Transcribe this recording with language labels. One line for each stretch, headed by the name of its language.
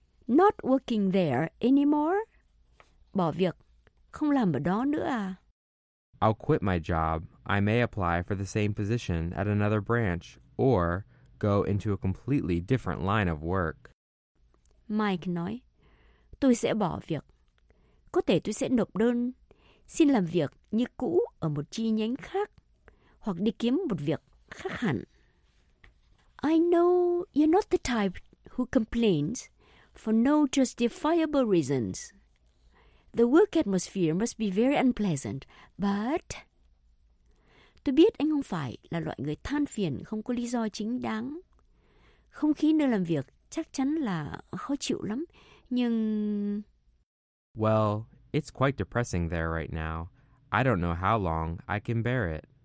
English: Not working there anymore.
Vietnamese: Bỏ việc. Không làm ở đó nữa à?
English: I'll quit my job. I may apply for the same position at another branch or go into a completely different line of work.
Vietnamese: Mike nói, tôi sẽ bỏ việc. Có thể tôi sẽ nộp đơn, xin làm việc như cũ ở một chi nhánh khác, hoặc đi kiếm một việc khác hẳn.
English: I know you're not the type who complains for no justifiable reasons. The work atmosphere must be very unpleasant, but...
Vietnamese: Tôi biết anh không phải là loại người than phiền không có lý do chính đáng. Không khí nơi làm việc chắc chắn là khó chịu lắm, nhưng...
English: Well, it's quite depressing there right now. I don't know how long I can bear it.